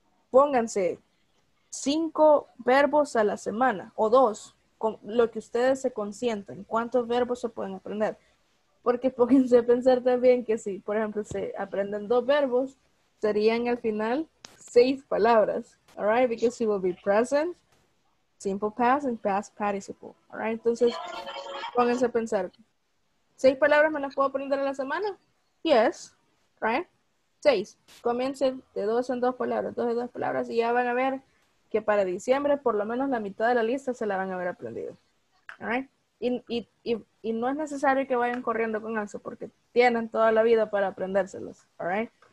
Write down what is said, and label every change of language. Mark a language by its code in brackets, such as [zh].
[es] Pónganse 5 verbos a la semana o 2, con lo que ustedes se consientan. ¿Cuántos verbos se pueden aprender? Porque pónganse a pensar también que si, por ejemplo, se aprenden 2 verbos, serían al final 6 palabras. All right, [en] because it will be present, simple past, and past participle. All right, [es] entonces pónganse a pensar. 6 palabras me las puedo aprender a la semana? [en] Yes, right? [es] 6. Comiencen de 2 en 2 palabras, 2 en 2 palabras, y ya van a ver que para diciembre, por lo menos la mitad de la lista se la van a haber aprendido. [en] All right? [es] Y no es necesario que vayan corriendo con eso, porque tienen toda la vida para aprendérselos. [en] All right?